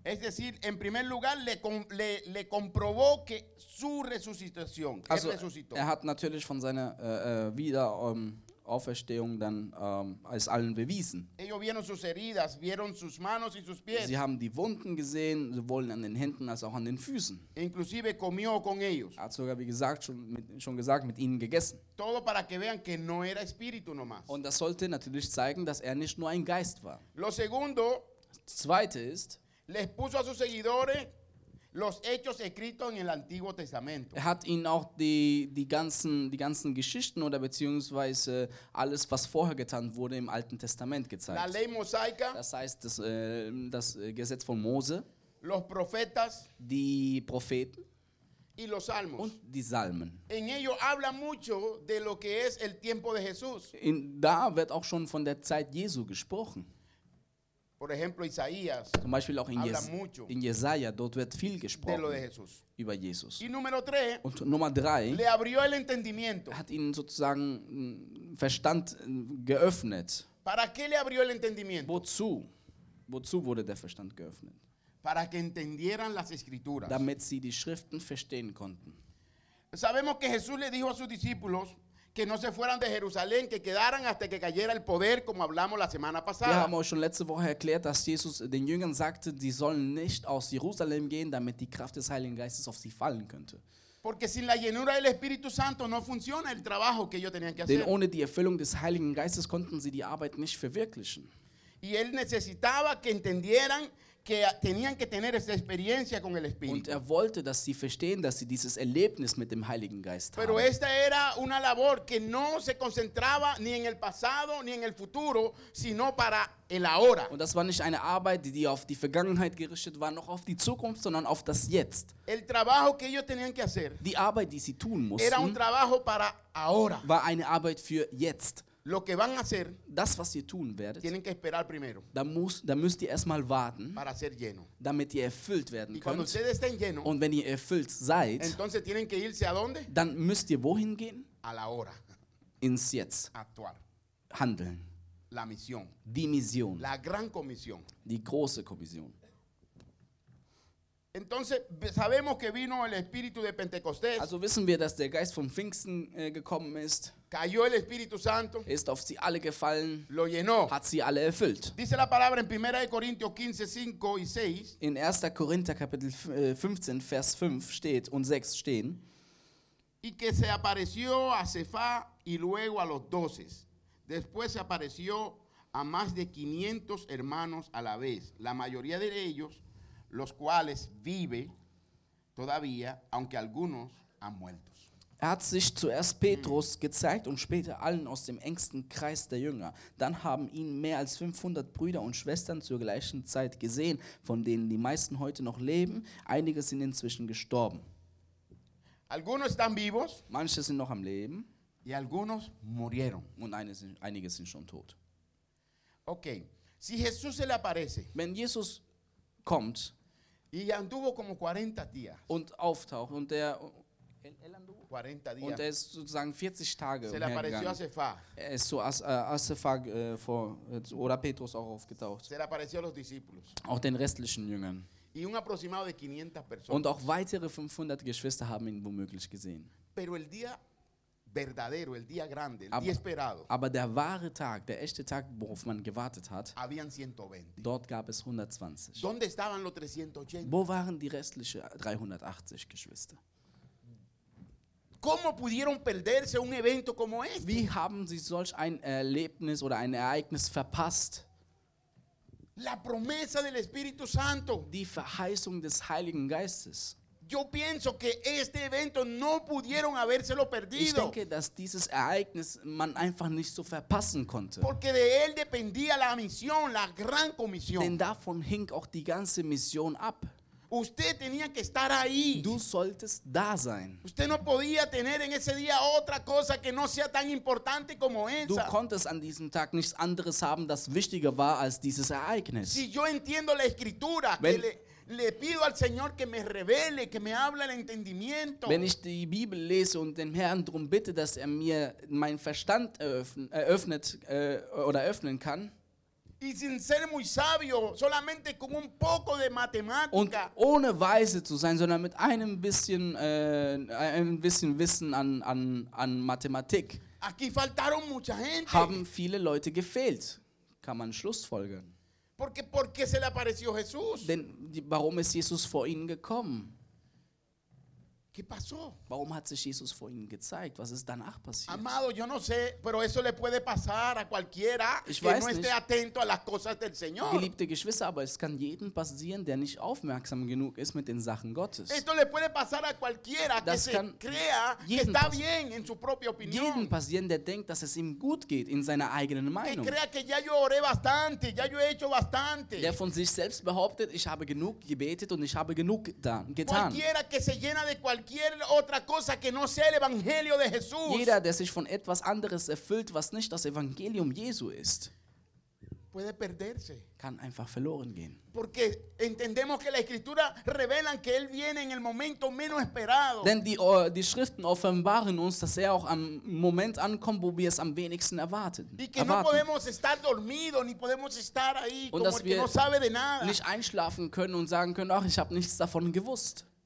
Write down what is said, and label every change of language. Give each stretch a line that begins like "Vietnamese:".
Spanish: Es decir, en primer lugar le comprobó que su resucitación, que also, resucitó.
German: Er hat natürlich von seiner Auferstehung dann als allen bewiesen.
Spanish: Ellos vieron sus heridas, vieron sus manos y sus pies.
German: Sie haben die Wunden gesehen, sowohl an den Händen als auch an den Füßen.
Spanish: Inclusive comió con ellos.
German: Hat sogar, wie gesagt, schon gesagt, mit ihnen gegessen.
Spanish: Todo para que vean que no era espíritu nomás.
German: Und das sollte natürlich zeigen, dass er nicht nur ein Geist war.
Spanish: Lo segundo,
German: das Zweite ist,
Spanish: les puso a sus seguidores los hechos escritos en el Antiguo Testamento.
German: Er hat ihnen auch die ganzen Geschichten oder beziehungsweise alles, was vorher getan wurde, im Alten Testament gezeigt.
Spanish: La ley mosaica,
German: das heißt, das Gesetz von Mose,
Spanish: los profetas,
German: die Propheten
Spanish: y los salmos.
German: Und die Salmen.
Spanish: En ello habla mucho de lo que es el tiempo de Jesús.
German: Da wird auch schon von der Zeit Jesu gesprochen.
Spanish: Por ejemplo, Isaías,
German: zum Beispiel auch in Jesaja, dort wird viel gesprochen
Spanish: de lo de Jesús.
German: Über Jesus.
Spanish: Y número tres,
German: und Nummer drei
Spanish: le abrió el entendimiento.
German: Hat ihnen sozusagen Verstand geöffnet.
Spanish: ¿Para qué le abrió el entendimiento?
German: Wozu wurde der Verstand geöffnet?
Spanish: Para que entendieran las escrituras.
German: Damit sie die Schriften verstehen konnten.
Spanish: Sabemos que Jesús le dijo a sus discípulos que no se fueran de Jerusalén, que quedaran hasta que cayera el poder, como hablamos la semana pasada.
German: Wir haben euch schon letzte Woche erklärt, dass Jesus den Jüngern sagte, sie sollen nicht aus Jerusalem gehen, damit die Kraft des Heiligen Geistes auf sie fallen könnte.
Spanish: Porque sin la llenura del Espíritu Santo no funciona el trabajo que ellos tenían que hacer.
German: Denn ohne die Erfüllung des Heiligen Geistes konnten sie die Arbeit nicht verwirklichen.
Spanish: Y él necesitaba que entendieran que tenían que tener esa experiencia con el Espíritu.
German: Und er wollte, dass sie verstehen, dass sie dieses Erlebnis mit dem Heiligen Geist
Spanish: pero
German: haben.
Spanish: Esta era una labor que no se concentraba ni en el pasado ni en el futuro, sino para el ahora.
German: Und das war nicht eine Arbeit, die auf die Vergangenheit gerichtet war, noch auf die Zukunft, sondern auf das Jetzt.
Spanish: El trabajo que ellos tenían que hacer.
German: Die Arbeit, die sie tun mussten.
Spanish: Era un trabajo para ahora.
German: War eine Arbeit für jetzt.
Spanish: Lo que van a hacer,
German: das, was ihr tun werdet,
Spanish: tienen que esperar primero,
German: da müsst ihr erstmal warten,
Spanish: para ser lleno.
German: Damit ihr erfüllt werden
Spanish: y
German: könnt.
Spanish: Cuando ustedes estén lleno,
German: und wenn ihr erfüllt seid,
Spanish: entonces tienen que irse a dónde?
German: Dann müsst ihr wohin gehen?
Spanish: A la hora.
German: Ins Jetzt.
Spanish: Actuar.
German: Handeln.
Spanish: La misión.
German: Die Mission.
Spanish: La gran comisión.
German: Die große Kommission.
Spanish: Entonces, sabemos que vino el Espíritu de Pentecostés.
German: Also wissen wir, dass der Geist vom Pfingsten gekommen ist.
Spanish: Cayó el Espíritu Santo.
German: Ist auf sie alle gefallen.
Spanish: Lo llenó.
German: Hat sie alle erfüllt.
Spanish: Dice la palabra en Primera de Corintios 15, 5 y 6.
German: In 1. Korinther Kapitel 15, Vers 5 steht und 6 stehen.
Spanish: Y que se apareció a Cefá y luego a los doces. Después se apareció a más de 500 hermanos a la vez. La mayoría de ellos, los cuales vive todavía, aunque algunos han muerto.
German: Er hat sich zuerst Petrus gezeigt und später allen aus dem engsten Kreis der Jünger. Dann haben ihn mehr als 500 Brüder und Schwestern zur gleichen Zeit gesehen, von denen die meisten heute noch leben. Einige sind inzwischen gestorben.
Spanish: Algunos están vivos,
German: manche sind noch am Leben.
Spanish: Y algunos murieron.
German: Und einige sind schon tot.
Spanish: Okay. Si Jesús se le aparece,
German: wenn Jesus kommt
Spanish: y anduvo como 40 días,
German: und auftaucht und der
Spanish: 40 días.
German: Und er ist sozusagen 40 Tage umhergegangen. Er ist zu Asefa vor oder Petrus auch aufgetaucht. Auch den restlichen Jüngern.
Spanish: Y un aproximado de 500 personas.
German: Und auch weitere 500 Geschwister haben ihn womöglich gesehen.
Spanish: Pero el día verdadero, el día grande, el día esperado.
German: Aber der wahre Tag, der echte Tag, worauf man gewartet hat,
Spanish: habían 120.
German: Dort gab es 120.
Spanish: ¿Dónde estaban los 380?
German: Wo waren die restlichen 380 Geschwister?
Spanish: ¿Cómo pudieron perderse un evento como este?
German: Wie haben sie solch ein Erlebnis oder ein Ereignis verpasst?
Spanish: La promesa del Espíritu Santo.
German: Die Verheißung des Heiligen Geistes.
Spanish: Yo pienso que este evento no pudieron habérselo perdido.
German: Ich denke, dass dieses Ereignis man einfach nicht so verpassen konnte.
Spanish: Porque de él dependía la misión, la gran comisión.
German: Denn davon hing auch die ganze Mission ab.
Spanish: Usted tenía que estar ahí.
German: Du solltest da sein.
Spanish: Usted no podía tener en ese día otra cosa que no sea tan importante como esa.
German: Du konntest an diesem Tag nichts anderes haben, das wichtiger war als dieses Ereignis.
Spanish: Si yo entiendo la escritura, le pido al Señor que me revele, que me hable el entendimiento.
German: Wenn ich die Bibel lese und den Herrn drum bitte, dass er mir mein Verstand öffnen kann.
Spanish: Y sin ser muy sabio, solamente con un poco de matemática.
German: Und ohne weise zu sein, sondern mit einem bisschen Wissen an Mathematik.
Spanish: Aquí faltaron mucha gente.
German: Haben viele Leute gefehlt. Kann man schlussfolgern.
Spanish: Porque se le apareció Jesús.
German: Denn warum ist Jesus vor ihnen gekommen?
Spanish: ¿Qué pasó?
German: Warum hat sich Jesus vor ihnen gezeigt? Was ist danach passiert?
Spanish: Amado, yo no sé, pero eso le puede pasar a cualquiera que no esté atento a las cosas del Señor.
German: Geliebte Geschwister, aber es kann jedem passieren, der nicht aufmerksam genug ist mit den Sachen Gottes.
Spanish: Esto le puede pasar a cualquiera que se crea que está bien en su propia opinión.
German: Jedem passieren, der denkt, dass es ihm gut geht in seiner eigenen Meinung.
Spanish: Que crea que ya yo oré bastante, ya yo he hecho bastante.
German: Der von sich selbst behauptet, ich habe genug gebetet und ich habe genug getan.
Spanish: Cualquiera que se llena de cualquier otra cosa que no sea el evangelio de Jesús.
German: Jeder, der sich von etwas anderes erfüllt, was nicht das Evangelium Jesu ist,
Spanish: puede perderse.
German: Kann einfach verloren gehen.
Spanish: Porque entendemos que la escritura revelan que él viene en el momento menos esperado.
German: Denn die Schriften offenbaren uns, dass er auch am Moment ankommt, wo wir es am wenigsten erwarten.
Spanish: Y que
German: erwarten.
Spanish: No podemos estar dormido ni podemos estar ahí
German: und
Spanish: como el que no sabe de nada.
German: Dass wir nicht einschlafen können und sagen können, ach, ich habe nichts davon gewusst.